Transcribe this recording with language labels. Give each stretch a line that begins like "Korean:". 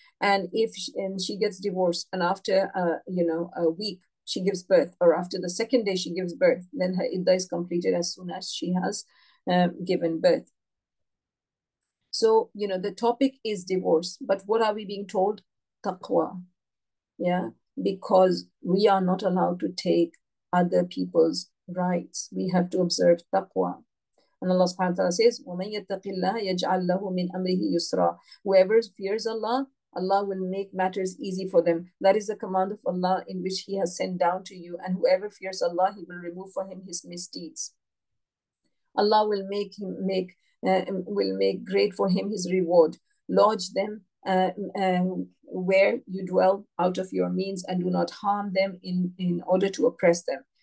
English: And if she gets divorced and after a week she gives birth, or after the second day she gives birth, then her iddah is completed as soon as she has given birth. So, you know, the topic is divorce, but what are we being told? Taqwa. Yeah, because we are not allowed to take other people's rights. We have to observe taqwa. And Allah subhanahu wa ta'ala says,
Arabic: وَمَنْ يَتَّقِ اللَّهِ يَجْعَلْ لَهُ مِنْ أَمْرِهِ يُسْرًا.
English: Whoever fears Allah, Allah will make matters easy for them. That is the command of Allah in which He has sent down to you. And whoever fears Allah, He will remove for him his misdeeds. Allah will make him make great for him his reward. Lodge them where you dwell out of your means, and do not harm them in order to oppress them.